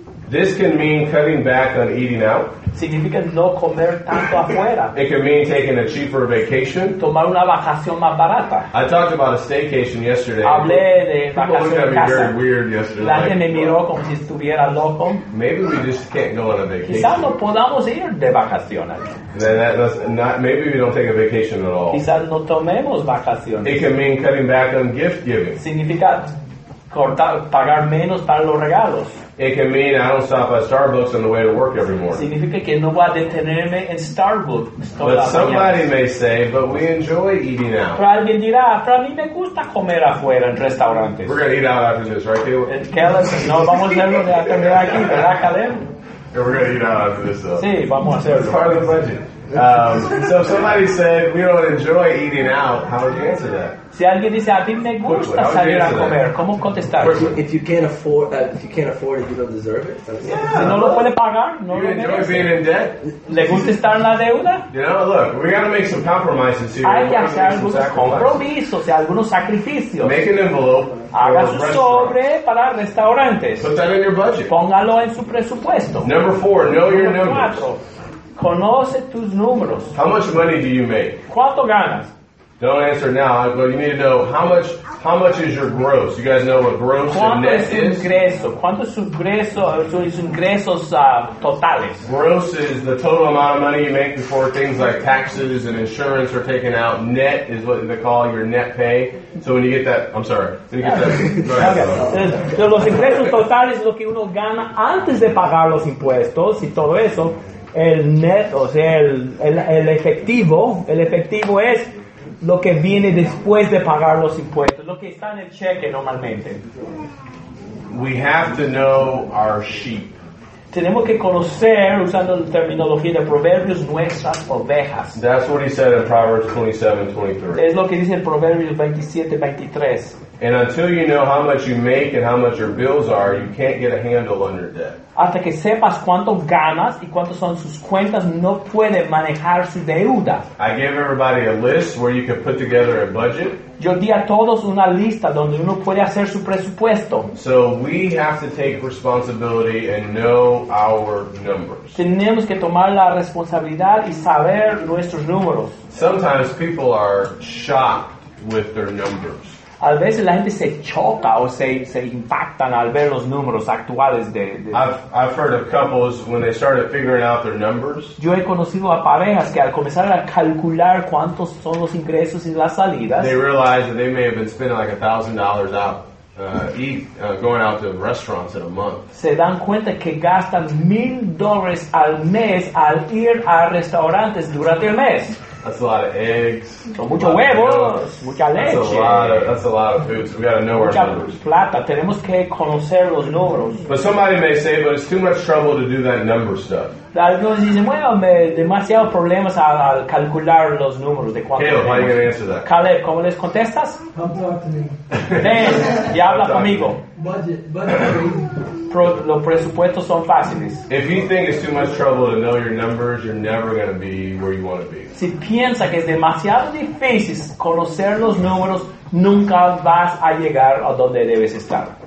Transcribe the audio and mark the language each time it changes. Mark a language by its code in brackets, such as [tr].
[en] This can mean cutting back on eating out. [es] Significa no comer tanto afuera. [en] It can mean taking a cheaper vacation. [es] Tomar una vacación más barata. [en] I talked about a staycation yesterday. [es] Hablé de [en] people looked at me [es] casa. [en] Very weird yesterday. [es] La gente me miró como si estuviera loco. [en] Maybe we just can't go on a vacation. [es] Quizás no podamos ir de vacaciones. [en] Maybe we don't take a vacation at all. [es] Quizás no tomemos vacaciones. [en] It can mean cutting back on gift giving. [es] Significa cortar, pagar menos para los regalos. [en] It can mean I don't stop at Starbucks on the way to work every morning. [es] Significa que no voy a detenerme en Starbucks. [en] But somebody may say, but we enjoy eating out. [es] Pero alguien dirá, pero a mí me gusta comer afuera en restaurantes. [en] We're going to eat out after this, right, Caleb? [es] Caleb, no, vamos a hacerlo de comer aquí, ¿verdad, Caleb? [en] And we're going to eat out after this, though. [es] Sí, vamos a hacerlo. [en] It's part of the budget. So if somebody said, we don't enjoy eating out, how would you answer that? [es] Si alguien dice, a mí me gusta salir a comer, ¿cómo contestar? [en] If you can't afford, if you can't afford it, you don't deserve it. Yeah, [es] si no lo puede pagar, no [en] you [es] lo [en] enjoy [es] merece. [en] Being in debt? [es] ¿Le gusta estar en la deuda? [en] You know, look, we got to make some compromises here. [es] Hay que hacer algunos compromisos, algunos sacrificios. [en] Make an envelope. [es] Haga su sobre para restaurantes. [en] Put that in your budget. [es] Póngalo en su presupuesto. [en] Number four, know your numbers. [es] Cuatro, conoce tus números. [en] How much money do you make? [es] ¿Cuánto ganas? [en] Don't answer now, but you need to know how much is your gross? You guys know what gross and net [es] es ingreso? ¿Cuánto es su ingreso? ¿Cuántos son ingresos totales? [en] Gross is the total amount of money you make before things like taxes and insurance are taken out. Net is what they call your net pay. So when you get that, I'm sorry. When you get that, okay. [es] Los ingresos totales es lo que uno gana antes de pagar los impuestos y todo eso. El net, o sea, el efectivo es lo que viene después de pagar los impuestos, lo que está en el cheque normalmente. [en] We have to know our sheep. [es] Tenemos que conocer, usando la terminología de Proverbios, nuestras ovejas. [en] That's what he said in Proverbs 27:23. [es] Es lo que dice en Proverbios 27:23. [en] And until you know how much you make and how much your bills are, you can't get a handle on your debt. [es] Hasta que sepas cuánto ganas y cuántas son sus cuentas, no puede manejar su deuda. [en] I gave everybody a list where you can put together a budget. [es] Yo di a todos una lista donde uno puede hacer su presupuesto. [en] So we have to take responsibility and know our numbers. [es] Tenemos que tomar la responsabilidad y saber nuestros números. [en] Sometimes people are shocked with their numbers. [es] A veces la gente se choca o se impactan al ver los números actuales de... [en] I've heard of couples when they started figuring out their numbers. [es] Yo he conocido a parejas que al comenzar a calcular cuántos son los ingresos y las salidas, [en] they realized that they may have been spending like $1,000 out going out to restaurants in a month. [es] Se dan cuenta que gastan $1,000 al mes al ir a restaurantes durante el mes. [en] That's a lot of eggs. [es] Son muchos huevos, mucha leche. [en] That's a lot of food. So we got to know [es] mucha [en] our numbers. [es] Plata. Tenemos que conocer los números. [en] But somebody may say, but it's too much trouble to do that number stuff. [es] Algunos dicen, bueno, demasiado problemas al calcular los números de cuánto. [en] Caleb, [es] tenemos. [en] How are you going to answer that? [es] Caleb, ¿cómo les contestas? [en] Come talk to me. [es] Ven y habla conmigo. [en] Budget. [es] Los presupuestos son fáciles. [en] If you think it's too much trouble to know your numbers, you're never going to be where you want to be. [es] Si piensa que es demasiado difícil conocer los números, nunca vas a llegar a donde debes estar.